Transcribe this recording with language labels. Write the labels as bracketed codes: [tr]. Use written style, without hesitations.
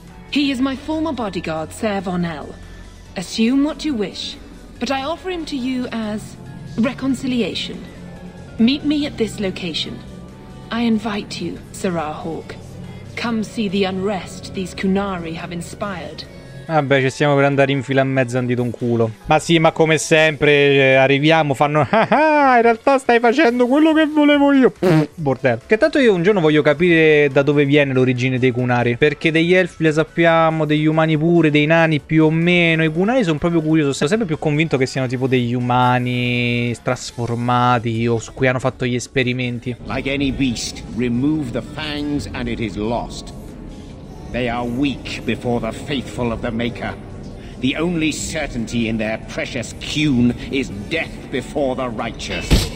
[en] He is my former bodyguard, Ser von L. Assume what you wish, but I offer him to you as reconciliation. Meet me at this location. I invite you, 𝗟𝗎𝗇𝗎. Come see the unrest these Kunari have inspired. [it] Vabbè, ci stiamo per andare in fila a mezzo andito un culo. Ma sì, ma come sempre, arriviamo, fanno... Ah, in realtà stai facendo quello che volevo io. Bordello. Che tanto io un giorno voglio capire da dove viene l'origine dei Kunari. Perché degli elfi le sappiamo, degli umani pure, dei nani più o meno. I Kunari sono proprio curioso. Sono sempre più convinto che siano tipo degli umani trasformati o su cui hanno fatto gli esperimenti. [en] Like any beast, remove the fangs and it is lost. They are weak before the faithful of the Maker. The only certainty in their precious kuhn is death before the righteous.